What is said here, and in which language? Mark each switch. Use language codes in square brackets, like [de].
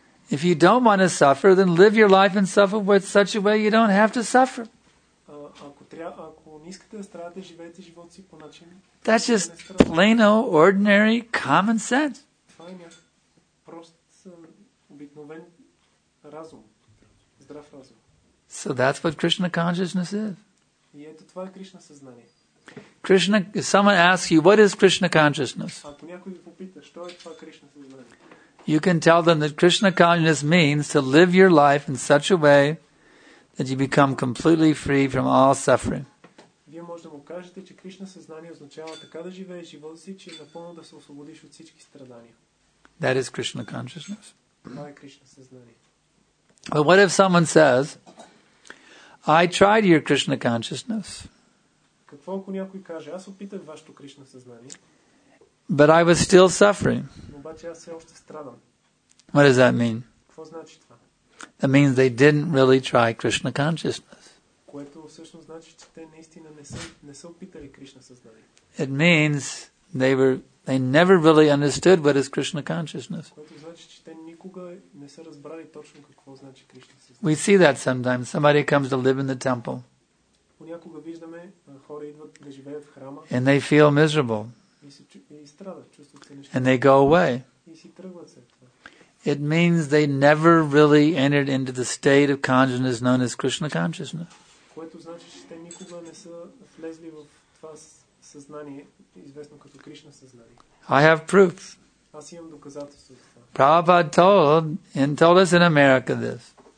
[en] If you don't want to suffer, then live your life and suffer with such a way you don't have to suffer. [bg] Ако не искате да страдате, живеете живот си по начин. [en] That's just plain ordinary common sense. [bg] Това е прост обикновен разум. Здрав разум. [en] So that's what Krishna consciousness is. [bg] И ето това е Кришна съзнание. [en] Krishna, if someone asks you, what is Krishna consciousness? [bg] Ако някой ви попита, що е това Кришна съзнание? [en] You can tell them that Krishna consciousness means to live your life in such a way that you become completely free from all suffering. [bg] Вие може да му кажете, че Кришна съзнание означава така да живееш живота си, че напълно да се освободиш от всички страдания. [en] That is Krishna consciousness. [bg] Това е Кришна съзнание. [en] But what if someone says, I tried your Krishna consciousness. [bg] Какво ако някой каже, аз опитах вашето Кришна съзнание. [en] But I was still suffering. [bg] Но обаче аз все още страдам. [en] What does that mean? [bg] Какво значи това? [en] That means they didn't really try Krishna consciousness. [bg] Което всъщност значи, че те наистина не са опитали Кришна съзнание. [en] It means they never really understood what is Krishna consciousness. [bg] Което значи, че те никога не са разбрали точно какво значи Кришна съзнание. [en] We see that sometimes somebody comes to live in the temple. [bg] Понякога виждаме хора идват да живеят в храма. [en] And they feel miserable. [bg] И страдат, чувстват се нещо. [en] And they go away. [bg] И си тръгват след това. [en] It means they never really entered into the state of consciousness known as Krishna consciousness. [bg] Което значи, че те никога не са влезли в това съзнание, известно като Кришна съзнание. [en] I have proof. [bg] Аз имам доказателство за това. [en] Prabhupada told, and told us in America this.